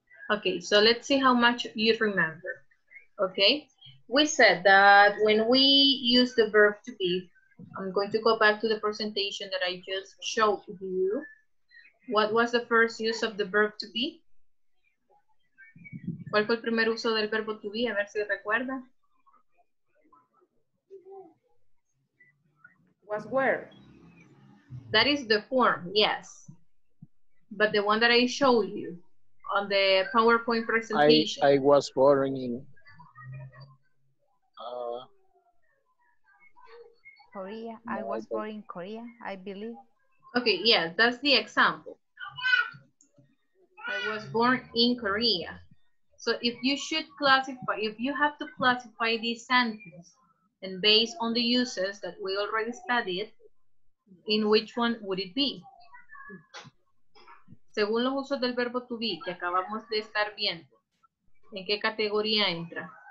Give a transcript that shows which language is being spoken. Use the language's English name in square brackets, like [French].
[English] Okay, so let's see how much you remember. Okay, we said that when we use the verb to be, I'm going to go back to the presentation that I just showed you. What was the first use of the verb to be? [Spanish] ¿Cuál fue el primer uso del verbo to be? A ver si recuerda. [English] Was where? That is the form, yes. But the one that I showed you on the PowerPoint presentation. I was boring in. Korea. I was born in Korea, I believe. Okay, yeah, that's the example. I was born in Korea. So if you should classify, if you have to classify this sentence and based on the uses that we already studied, in which one would it be? [Spanish] Según los usos del verbo to be, que acabamos de estar viendo, ¿en qué categoría entra?